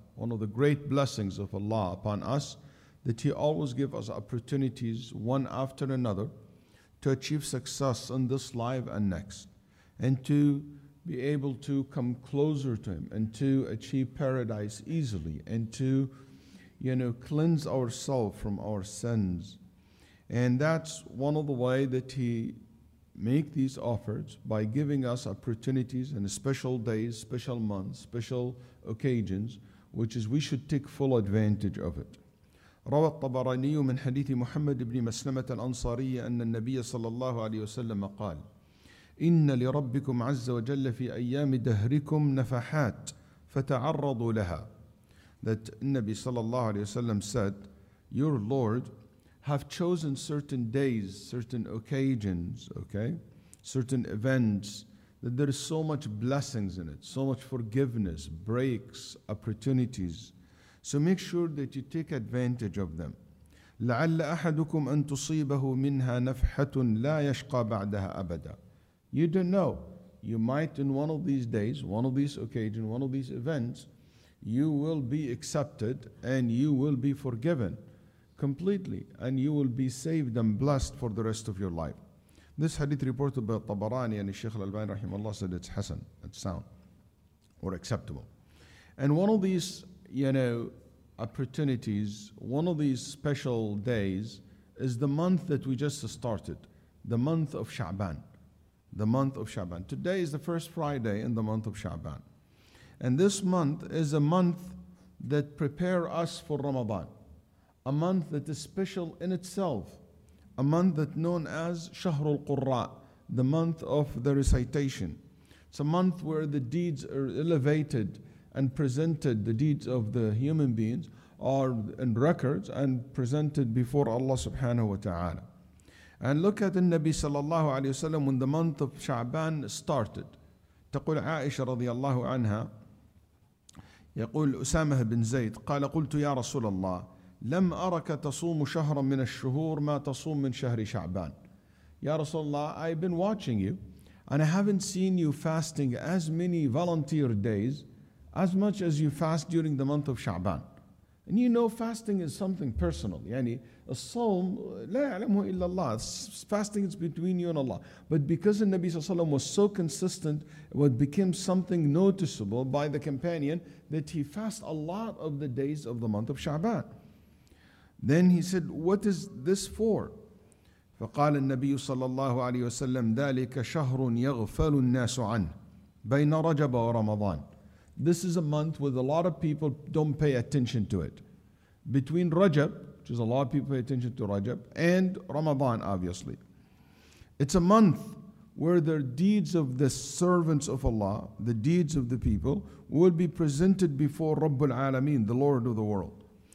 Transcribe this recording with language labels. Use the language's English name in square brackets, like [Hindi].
[English] One of the great blessings of Allah upon us that He always gives us opportunities, one after another, to achieve success in this life and next, and to be able to come closer to Him, and to achieve paradise easily, and to, you know, cleanse ourselves from our sins. And that's one of the ways that He makes these offers, by giving us opportunities and special days, special months, special occasions, which is we should take full advantage of it. [Arabic] روى الطبراني من حديث محمد بن مسلمة الأنصاري أن النبي صلى الله عليه وسلم قال إن لربكم عز وجل في أيام دهركم نفحات فتعرضوا لها. [English] That [Arabic] النبي صلى الله عليه وسلم [English] said, your Lord have chosen certain days, certain occasions, okay, certain events, that there is so much blessings in it, so much forgiveness, breaks, opportunities. So make sure that you take advantage of them. [Arabic] لعل أحدكم أن تصيبه منها نفحة لا يشقى بعدها أبدا. [English] You don't know. You might in one of these days, one of these occasions, one of these events, you will be accepted and you will be forgiven completely and you will be saved and blessed for the rest of your life. This hadith reported by Tabarani and Sheikh Al-Albani rahimahullah said it's hasan, it's sound or acceptable. And one of these, you know, opportunities, one of these special days is the month that we just started, the month of Sha'ban, the month of Sha'ban. Today is the first Friday in the month of Sha'ban. And this month is a month that prepare us for Ramadan, a month that is special in itself, a month that known as Shahrul Qurra, the month of the recitation. It's a month where the deeds are elevated and presented, the deeds of the human beings are in records and presented before Allah subhanahu wa ta'ala. And look at the Nabi sallallahu alayhi wa sallam when the month of Sha'ban started. [Arabic] تقول عائشة رضي الله عنها يقول أسامة بن زيد قال قلت يا رسول الله لم أرك تصوم شهرا من الشهور ما تصوم من شهر شعبان. يا رسول الله, [English] I've been watching you and I haven't seen you fasting as many volunteer days as much as you fast during the month of Sha'ban. And you know fasting is something personal. [Arabic] يعني الصوم لا يعلمه إلا الله. [English] Fasting is between you and Allah. But because the Nabi Sallallahu Alaihi Wasallam was so consistent, what became something noticeable by the companion that he fasted a lot of the days of the month of Sha'ban. Then he said, what is this for? [Arabic] فقال النبي صلى الله عليه وسلم ذلك شهر يغفل الناس عنه بين رجب ورمضان. [English] This is a month with a lot of people don't pay attention to it. Between Rajab, which is a lot of people pay attention to Rajab, and Ramadan, obviously. It's a month where the deeds of the servants of Allah, the deeds of the people, will be presented before [Arabic] رب العالمين, [English] the Lord of the world.